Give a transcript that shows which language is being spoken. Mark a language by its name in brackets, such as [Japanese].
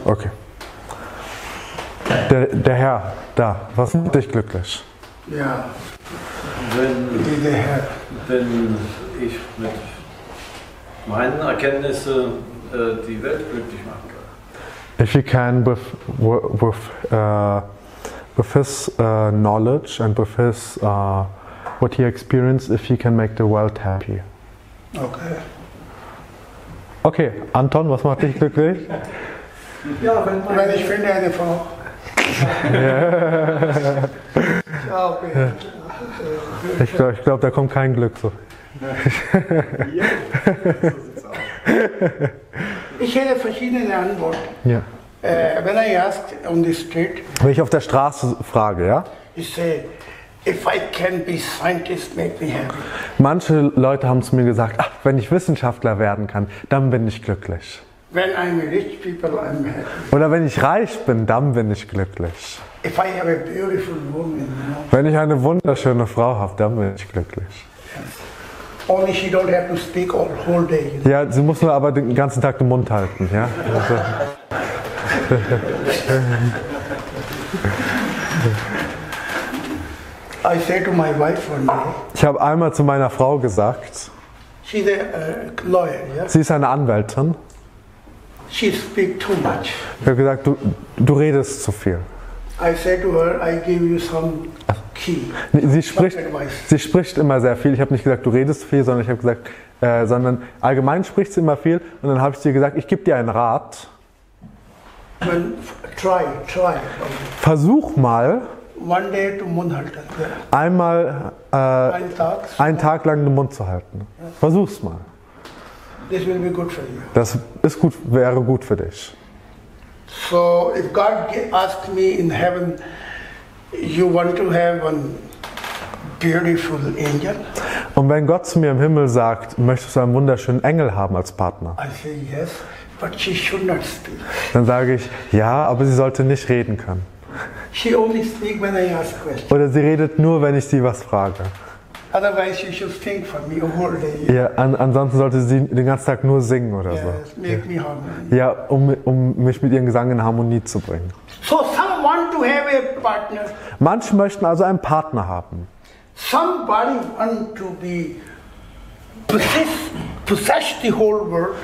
[German] Okay. Der Herr, da, was macht dich glücklich? Ja, wenn ich mit meinen Erkenntnissen die Welt glücklich machen kann. [English] If you can, with his knowledge and with his what he experienced, if he can make the world happy. Okay. [German] Okay, Anton, was macht dich glücklich? Ja, wenn ich finde eine Frau. Yeah. Ja, okay. Ich glaube, da kommt kein Glück so. Ich hätte verschiedene Antworten. Ja. [English] When I ask on the street. [German] Wenn ich auf der Straße frage, ja? Ich sehe, [English] if I can be scientist, make me happy. [German] Manche Leute haben zu mir gesagt, ach, wenn ich Wissenschaftler werden kann, dann bin ich glücklich. [English] When I'm rich people, I'm happy. [German] Oder wenn ich reich bin, dann bin ich glücklich. [English] If I have a beautiful woman, [German] wenn ich eine wunderschöne Frau habe, dann bin ich glücklich. [English] Yes. Only she don't have to speak all whole day. You know? [German] Ja, sie muss nur aber den ganzen Tag den Mund halten, ja. Also. [English] I say to my wife one day. [German] Ich habe einmal zu meiner Frau gesagt. [English] She's a lawyer, yeah? [German] Sie ist eine Anwältin. [English] She speak too much. [German] Ich habe gesagt, du redest zu viel. [English] I said to her, I give you some key. [German] Sie spricht immer sehr viel. Ich habe nicht gesagt, du redest zu viel, sondern ich habe gesagt, sondern allgemein spricht sie immer viel. Und dann habe ich dir gesagt, ich gebe dir einen Rat. [English] Well, try. [German] Versuch mal. [English] One day to [German] Mund halten. Einmal. Einen Tag lang den Mund zu halten. Yes. Versuch's mal. [English] This will be good for you. [German] Das ist gut, wäre gut für dich. [English] So, if God asked me in heaven, you want to have a beautiful angel? [German] Und wenn Gott zu mir im Himmel sagt, möchtest du einen wunderschönen Engel haben als Partner? [English] I say yes, but she should not speak. [German] Dann sage ich, ja, aber sie sollte nicht reden können. [English] She only speak when I ask questions. [German] Oder sie redet nur, wenn ich sie was frage. [English] Otherwise you should think for me a whole day. [German] Ja, ansonsten sollte sie den ganzen Tag nur singen oder [English] yes, so. Make me harmony. [German] Ja, um mich mit ihrem Gesang in Harmonie zu bringen. [English] So some want to have a partner. [German] Manche möchten also einen Partner haben. [English] Somebody want to be possess the whole world.